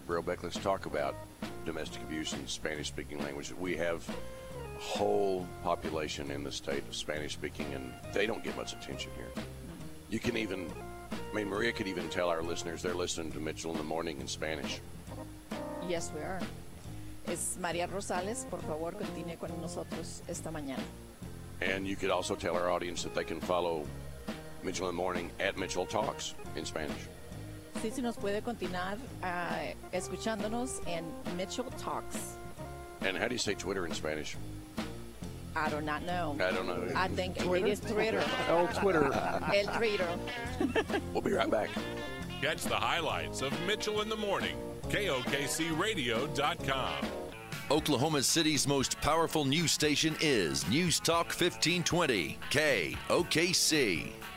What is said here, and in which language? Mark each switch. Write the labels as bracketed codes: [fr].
[en] Brailbeck, let's talk about domestic abuse in Spanish-speaking languages. We have a whole population in the state of Spanish-speaking, and they don't get much attention here. You can even, I mean, Maria could even tell our listeners they're listening to Mitchell in the Morning in Spanish. Yes, we are. [es] Es Maria Rosales, por favor, continue con nosotros esta mañana. [en] And you could also tell our audience that they can follow Mitchell in the Morning at Mitchell Talks in Spanish. [es] Sí, si nos puede continuar escuchándonos en Mitchell Talks. [en] And how do you say Twitter in Spanish? I do not know. I don't know. I think Twitter? It is Twitter. [es] El Twitter. El Twitter. [en] We'll be right back. Catch the highlights of Mitchell in the Morning, KOKCRadio.com. Oklahoma City's most powerful news station is News Talk 1520, KOKC.